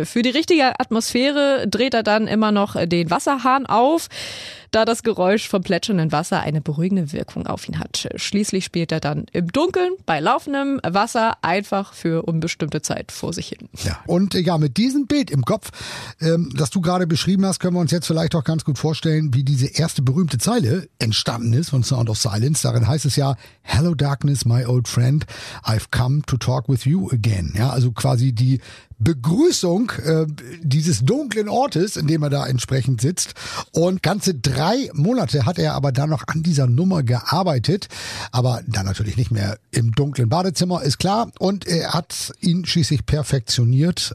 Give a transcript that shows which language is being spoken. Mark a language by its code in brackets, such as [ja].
[de] Für die richtige Atmosphäre dreht er dann immer noch den Wasserhahn auf, da das Geräusch vom plätschernden Wasser eine beruhigende Wirkung auf ihn hat. Schließlich spielt er dann im Dunkeln bei laufendem Wasser einfach für unbestimmte Zeit vor sich hin. Ja, und ja, mit diesem Bild im Kopf, das du gerade beschrieben hast, können wir uns jetzt vielleicht auch ganz gut vorstellen, wie diese erste berühmte Zeile entstanden ist von Sound of Silence. Darin heißt es ja, [en] Hello Darkness, my old friend, I've come to talk with you again. [de] Ja, also quasi die Begrüßung dieses dunklen Ortes, in dem er da entsprechend sitzt. Und ganze 3 Monate hat er aber dann noch an dieser Nummer gearbeitet. Aber dann natürlich nicht mehr im dunklen Badezimmer, ist klar. Und er hat ihn schließlich perfektioniert.